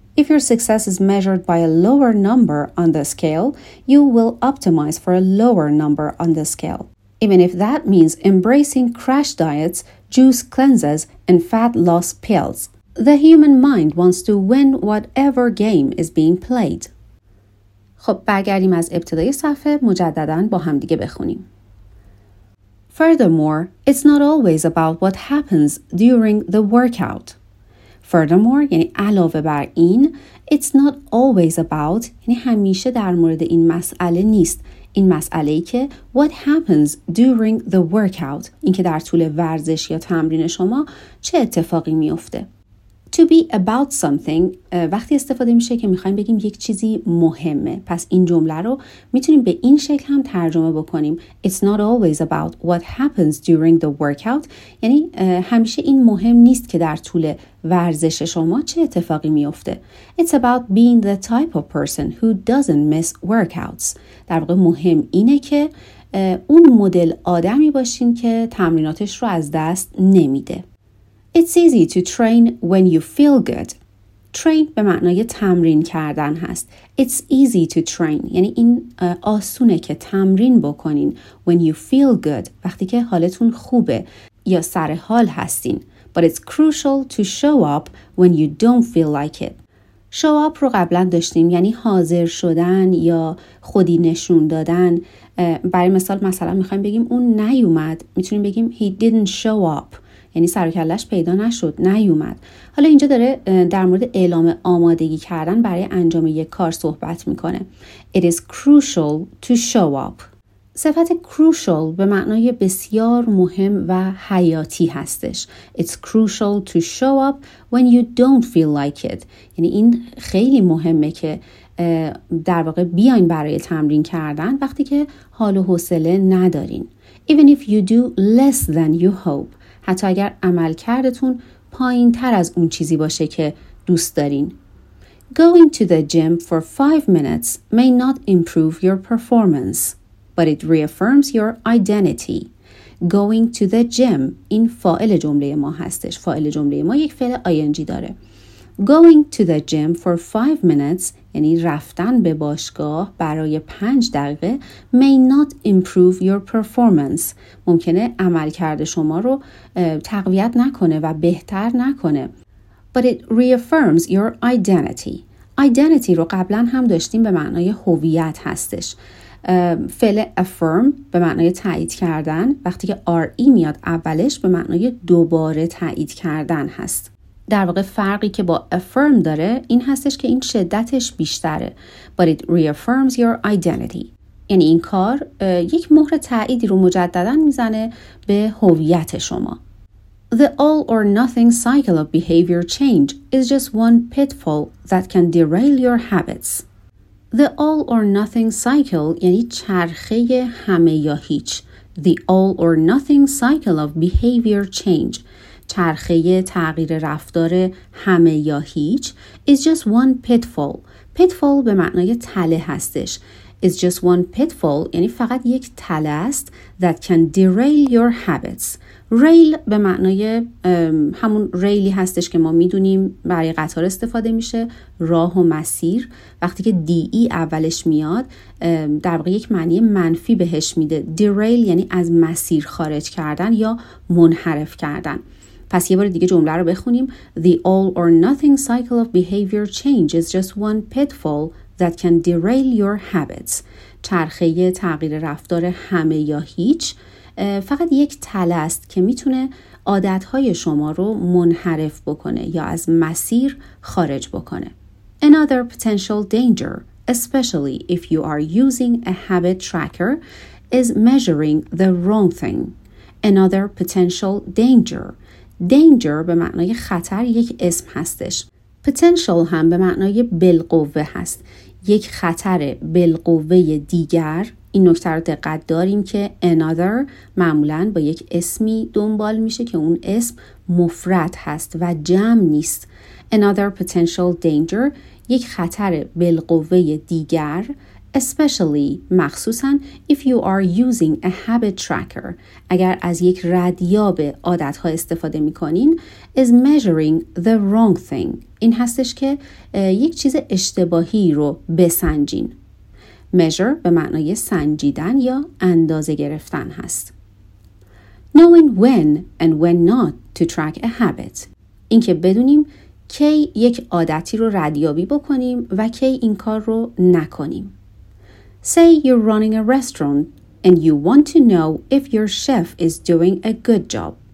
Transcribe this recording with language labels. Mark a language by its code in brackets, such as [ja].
[en] If your success is measured by a lower number on the scale, you will optimize for a lower number on the scale. Even if that means embracing crash diets, juice cleanses, and fat loss pills. The human mind wants to win whatever game is being played. [fa] خب برگردیم از ابتدای صفحه مجدداً با هم دیگه بخونیم. [en] Furthermore, it's not always about what happens during the workout. Furthermore, [fa] یعنی علاوه بر این, [en] it's not always about, [fa] یعنی همیشه در مورد این مسئله نیست. این مسئله ای که [en] what happens during the workout, [fa] این که در طول ورزش یا تمرین شما چه اتفاقی میفته. [en] To be about something, [fa] وقتی استفاده میشه که میخواییم بگیم یک چیزی مهمه. پس این جمله رو میتونیم به این شکل هم ترجمه بکنیم. [en] It's not always about what happens during the workout. [fa] یعنی همیشه این مهم نیست که در طول ورزش شما چه اتفاقی میفته. [en] It's about being the type of person who doesn't miss workouts. [fa] در واقع مهم اینه که اون مدل آدمی باشین که تمریناتش رو از دست نمیده. [en] It's easy to train when you feel good. [fa] Train به معنای تمرین کردن هست. [en] It's easy to train. [fa] یعنی این آسونه که تمرین بکنین. [en] When you feel good. [fa] وقتی که حالتون خوبه یا سر حال هستین. [en] But it's crucial to show up when you don't feel like it. [fa] Show up رو قبلا داشتیم. یعنی حاضر شدن یا خودی نشون دادن. برای مثال مثلا میخواییم بگیم اون نیومد. میتونیم بگیم [en] he didn't show up. [fa] یعنی سر و کلش پیدا نشد، نیومد. حالا اینجا داره در مورد اعلام آمادگی کردن برای انجام یک کار صحبت میکنه. [en] It is crucial to show up. [fa] صفت crucial به معنای بسیار مهم و حیاتی هستش. [en] It's crucial to show up when you don't feel like it. [fa] یعنی این خیلی مهمه که در واقع بیاین برای تمرین کردن وقتی که حال و حوصله ندارین. [en] Even if you do less than you hope. [fa] حتی اگر عمل کردتون پایین تر از اون چیزی باشه که دوست دارین. [en] Going to the gym for 5 minutes may not improve your performance, but it reaffirms your identity. Going to the gym, [fa] این فاعل جمله ما هستش. فاعل جمله ما یک فعل ing داره. [en] Going to the gym for 5 minutes, [fa] یعنی رفتن به باشگاه برای 5 دقیقه, [en] may not improve your performance. [fa] ممکنه عمل کرده شما رو تقویت نکنه و بهتر نکنه. [en] But it reaffirms your identity. [fa] Identity رو قبلا هم داشتیم به معنای هویت هستش. فعل affirm به معنای تایید کردن. وقتی که re میاد اولش به معنای دوباره تایید کردن هست. در واقع فرقی که با affirm داره این هستش که این شدتش بیشتره. [en] But it reaffirms your identity. [fa] یعنی این کار یک مهر تاییدی رو مجددن میزنه به هویت شما. [en] The all or nothing cycle of behavior change is just one pitfall that can derail your habits. The all or nothing cycle [fa] یعنی چرخه همه یا هیچ. [en] The all or nothing cycle of behavior change. [fa] چرخه تغییر رفتار همه یا هیچ [en] is just one pitfall. [fa] Pitfall به معنای تله هستش. [en] Is just one pitfall [fa] یعنی فقط یک تله است [en] that can derail your habits. [fa] ریل به معنای همون ریلی هستش که ما میدونیم برای قطار استفاده میشه. راه و مسیر وقتی که دی ای اولش میاد در واقع یک معنی منفی بهش میده. دیریل یعنی از مسیر خارج کردن یا منحرف کردن. پس یه بار دیگه جمله رو بخونیم. [en] The all or nothing cycle of behavior change is just one pitfall that can derail your habits. [fa] چرخه تغییر رفتار همه یا هیچ فقط یک تله است که میتونه عادتهای شما رو منحرف بکنه یا از مسیر خارج بکنه. [en] Another potential danger, especially if you are using a habit tracker, is measuring the wrong thing. Another potential danger. [fa] Danger به معنای خطر یک اسم هستش. Potential هم به معنای بالقوه هست. یک خطر بالقوه دیگر. این نکته رو دقت داریم که another معمولاً با یک اسمی دنبال میشه که اون اسم مفرد هست و جمع نیست. [en] Another potential danger [fa] یک خطر بالقوه دیگر. [en] Especially [fa] مخصوصاً [en] if you are using a habit tracker [fa] اگر از یک ردیاب عادتها استفاده میکنین. [en] Is measuring the wrong thing [fa] این هستش که یک چیز اشتباهی رو بسنجین. Measure به معنای سنجیدن یا اندازه گرفتن هست. [en] Knowing when and when not to track a habit. [fa] این که بدونیم کی یک عادتی رو ردیابی بکنیم و کی این کار رو نکنیم. [en] Say you're running a restaurant and you want to know if your chef is doing a good job.